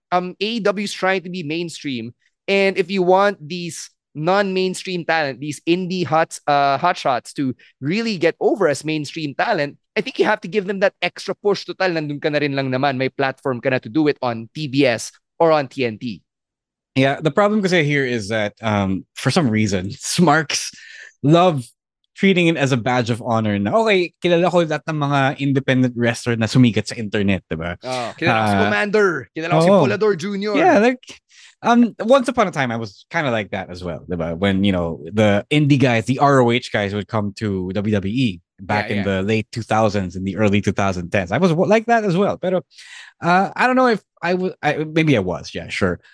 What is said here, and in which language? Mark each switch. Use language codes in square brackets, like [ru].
[en] AEW's trying to be mainstream. And if you want these non-mainstream talent, these indie hotshots to really get over as mainstream talent, I think you have to give them that extra push. [tl] Total, nandun ka na rin lang naman. May platform ka na [en] to do it on TBS or on TNT. Yeah, the problem kasi here is that for some reason, Smarks love treating it as a badge of honor. [tl] Na, okay, kilala ko lahat ng mga independent wrestler na sumikat sa internet, diba? Oh, kilala ko si Commander. Kilala ko si Volador Jr. [en] Yeah, like... once upon a time, I was kind of like that as well. Right? When, you know, the indie guys, the ROH guys would come to WWE back in the late 2000s and the early 2010s. I was like that as well. But I don't know if I was, maybe I was. Yeah, sure.